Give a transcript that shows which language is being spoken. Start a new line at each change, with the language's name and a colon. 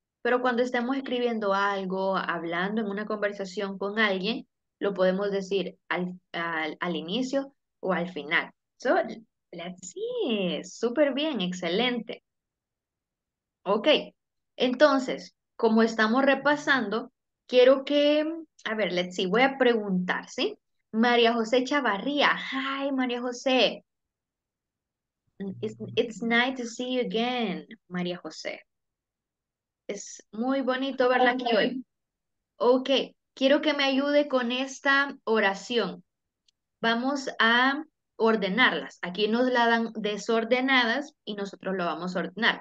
Spanish: Pero cuando estemos escribiendo algo, hablando en una conversación con alguien, lo podemos decir al inicio o al final.
English: So, let's see.
Spanish: Súper bien, excelente. Ok, entonces, como estamos repasando, quiero que, a ver,
English: let's see,
Spanish: voy a preguntar, ¿sí?
English: María José Chavarría. Hi, María José. It's nice to see you again, María José.
Spanish: Es muy bonito verla aquí hoy. Ok, quiero que me ayude con esta oración. Vamos a ordenarlas. Aquí nos la dan desordenadas y nosotros lo vamos a ordenar.